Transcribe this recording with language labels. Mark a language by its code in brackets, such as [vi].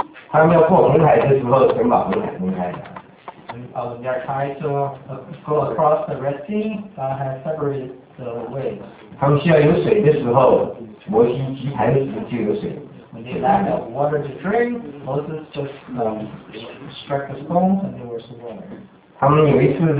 [zh] 他们要过红海的时候，神把红海分开了。 [en] When they are trying to go across the Red Sea, God has separated the waves. [zh] 他们需要有水的时候，摩西举盘子就有水。 [en] When they lack of water to drink, Moses just struck the stones and there was water.